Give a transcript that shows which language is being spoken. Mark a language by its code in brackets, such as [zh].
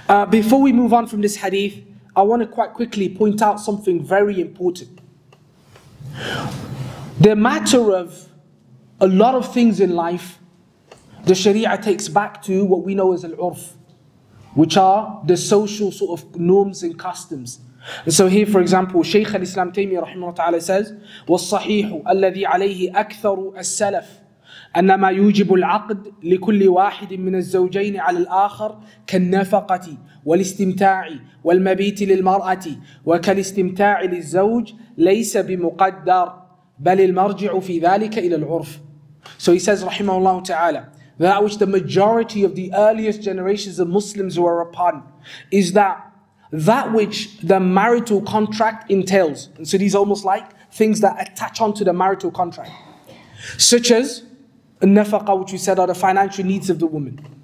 [en] Before we move on from this hadith, I want to quite quickly point out something very important. The matter of a lot of things in life, the Sharia takes back to what we know as al-urf, which are the social sort of norms and customs. And so here, for example, Shaykh al-Islam Taymiyyah rahimahullah ta'ala says, [ar] وَالصَّحِيحُ الَّذِي عَلَيْهِ أَكْثَرُ السَّلَفِ أَنَّمَا يُوجِبُ الْعَقْدِ لِكُلِّ وَاحِدٍ مِّنَ الزَّوْجَيْنِ عَلَى الْآخَرِ كَالنَّفَقَةِ وَالْاِسْتِمْتَاعِ وَالْمَبِيتِ لِلْمَرْأَةِ وَكَالْاِسْتِمْتَاعِ لِلزَّوْجِ لَيْسَ بِمُقَدَّرِ بَلِ الْمَرْجِعُ فِي ذَلِكَ إِلَى الْعُرْفِ. [en] So he says, rahimahullah ta'ala, that which the majority of the earliest generations of Muslims were upon is that which the marital contract entails. And so these are almost like things that attach onto the marital contract, such as nafaqa, which we said are the financial needs of the woman.